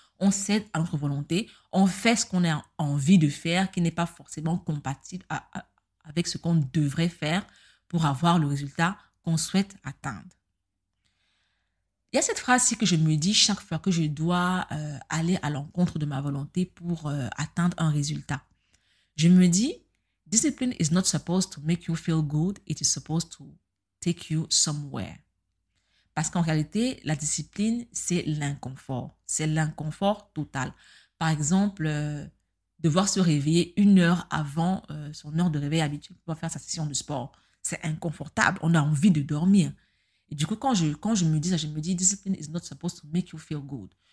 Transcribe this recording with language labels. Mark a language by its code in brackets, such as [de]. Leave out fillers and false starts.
[fr] On cède à notre volonté, on fait ce qu'on a envie de faire, qui n'est pas forcément compatible avec ce qu'on devrait faire pour avoir le résultat qu'on souhaite atteindre. Il y a cette phrase-ci que je me dis chaque fois que je dois aller à l'encontre de ma volonté pour atteindre un résultat. Je me dis, [en] discipline is not supposed to make you feel good, it is supposed to take you somewhere. [fr] Parce qu'en réalité, la discipline, c'est l'inconfort. C'est l'inconfort total. Par exemple, devoir se réveiller une heure avant son heure de réveil habituelle pour faire sa session de sport, c'est inconfortable. On a envie de dormir. Et du coup, quand je me dis ça, je me dis, [en] discipline is not supposed to make you feel good.